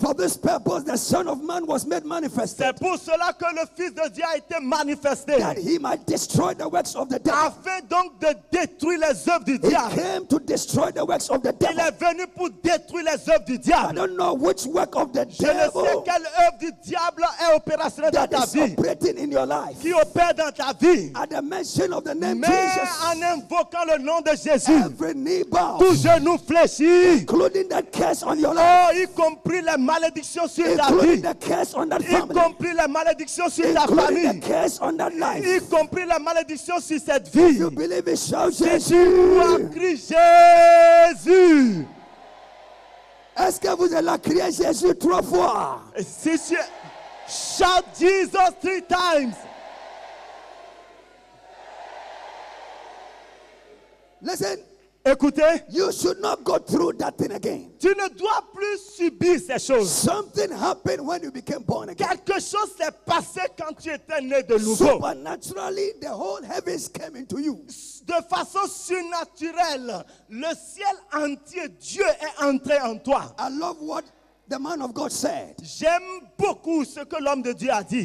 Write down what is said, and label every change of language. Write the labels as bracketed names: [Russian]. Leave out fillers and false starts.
[English] For this purpose the Son of Man was made manifested. [French] C'est pour cela que le Fils de Dieu a été manifesté. [English] That he might destroy the works of the devil. [French] Afin donc de détruire les œuvres du diable. [English] He came to destroy the works of the devil. [French] Il est venu pour détruire les œuvres du diable. [English] I don't know which work of the devil. [French] Je ne sais quelle œuvre du diable est opérationnelle dans ta vie. [English] That is operating in your life. [French] Qui opère dans ta vie. [English] At the mention of the name [French] Mais [English] Jesus. [French] En invoquant le nom de Jésus. [English] Every knee bow. [French] Tout genou fléchi. [English] Including that curse on your life. [French] Oh, y compris les malédictions sur ta vie, y compris les malédictions sur ta famille, y compris les malédictions sur cette vie. [English] You believe it, shout [French] si Jésus. Tu as crié Jésus. Est-ce que vous allez crier Jésus trois fois? Si tu [English] shout Jesus three times. Listen. [French] Écoutez, [English] you should not go through that thing again. [French] Tu ne dois plus subir ces choses. [English] Something happened when you became born again. [French] Quelque chose s'est passé quand tu étais né de nouveau. [English] Supernaturally, the whole heavens came into you. [French] De façon surnaturelle, le ciel entier, Dieu est entré en toi. [English] I love what the man of God said. [French] J'aime beaucoup ce que l'homme de Dieu a dit.